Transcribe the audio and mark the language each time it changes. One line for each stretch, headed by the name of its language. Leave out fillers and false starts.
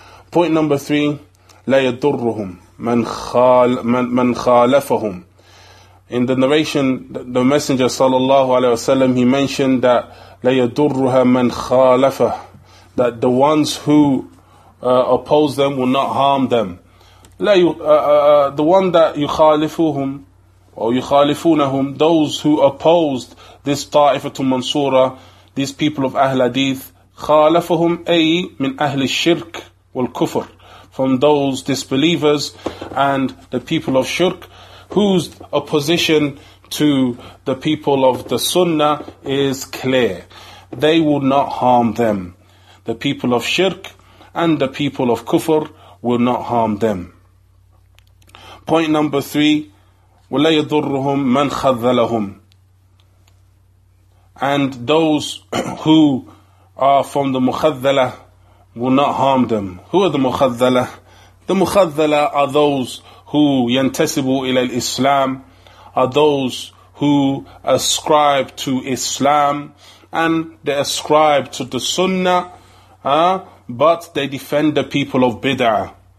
English: Point number three,
Arabic: لَا يَدُرُّهُمْ مَنْ خَالَفَهُمْ.
English: In the narration, the Messenger sallallahu alayhi wa sallam, he mentioned that
Arabic: لَا يَدُرُّهَا مَنْ خَالَفَهُ,
English: that the ones who oppose them will not harm them. The one that yukhalifuhum or yukhalifunahum, those who opposed this ta'ifatul mansura, these people of Ahl Hadith,
Arabic: khalafuhum ay min Ahl Shirk wal Kufr,
English: from those disbelievers and the people of Shirk, whose opposition to the people of the Sunnah is clear. They will not harm them. The people of Shirk and the people of Kufr will not harm them. Point number three,
Arabic: وَلَا يَضُرُّهُمْ مَنْ خَذَّلَهُمْ.
English: And those who are from the مُخَذَّلَة will not harm them. Who are the مُخَذَّلَة? The مُخَذَّلَة are those who
Arabic: يَنْتَسِبُوا إِلَى الْإِسْلَامِ,
English: are those who ascribe to Islam, and they ascribe to the Sunnah, but they defend the people of Bid'ah.